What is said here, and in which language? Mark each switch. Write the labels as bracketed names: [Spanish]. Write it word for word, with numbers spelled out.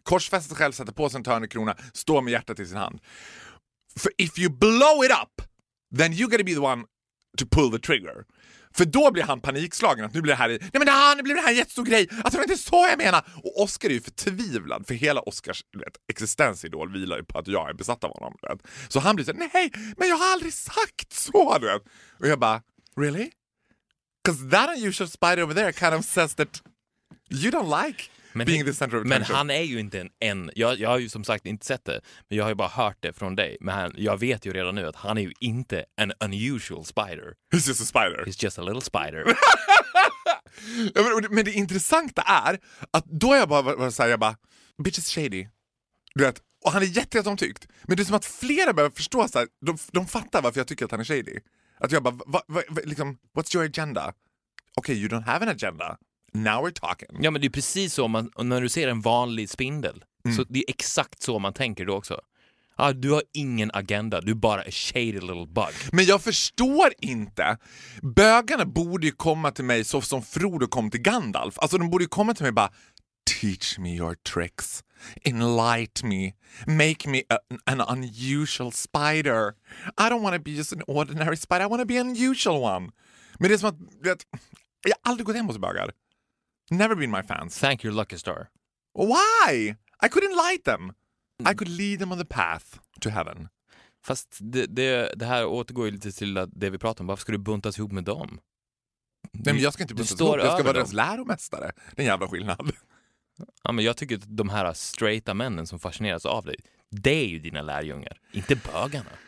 [Swedish] Korsfästet själv, sätter på sig en törnekrona, står med hjärtat i sin hand. För [English] if you blow it up, then you gotta be the one to pull the trigger. [Swedish] För då blir han panikslagen att nu blir det här, nej men det här, nu blir det här en jättestor grej. Att det var inte så jag menar. Och Oscar är ju förtvivlad, för hela Oscars vet, existensidol vilar ju på att jag är besatt av honom. Vet. Så han blir så här, nej, men jag har aldrig sagt så. Vet. Och jag bara, really? [English] Because that unusual spider over there kind of says that you don't like. [Swedish] Men, [English] being the center of [Swedish] men han är ju inte en, en jag, jag har ju som sagt inte sett det, men jag har ju bara hört det från dig. Men han, jag vet ju redan nu att han är ju inte en unusual spider. [English] He's just a spider. He's just a little spider. [Swedish] ja, men, men det intressanta är att då är jag bara så här, jag bara, [English] bitch is shady. [Swedish] Du vet, och han är jätteomtyckt. Men det är som att flera börjar förstå så här, de, de fattar varför jag tycker att han är shady. Att jag bara, va, va, va, liksom, [English] what's your agenda? Okay, you don't have an agenda. Now we're talking. [Swedish] Ja, men det är precis så man, när du ser en vanlig spindel. Mm. Så det är exakt så man tänker då också. Ah, du har ingen agenda. Du är bara [English] a shady little bug. [Swedish] Men jag förstår inte. Bögarna borde ju komma till mig så som Frodo kom till Gandalf. Alltså de borde ju komma till mig och bara [English] teach me your tricks. Enlighten me. Make me a, an unusual spider. I don't want to be just an ordinary spider. I want to be an unusual one. [Swedish] Men det är som att vet, jag har aldrig gått hem hos bögar. [English] Never been my fans. Thank your lucky star. Why? I could enlighten them. I could lead them on the path to heaven. [Swedish] Fast det, det, det här återgår ju lite till det vi pratar om. Varför ska du buntas ihop med dem? Du, Nej men jag ska inte buntas ihop. Jag ska vara deras läromästare. Det är en jävla skillnad. Ja men jag tycker att de här straighta männen som fascineras av dig, det är ju dina lärjungar. Inte bögarna.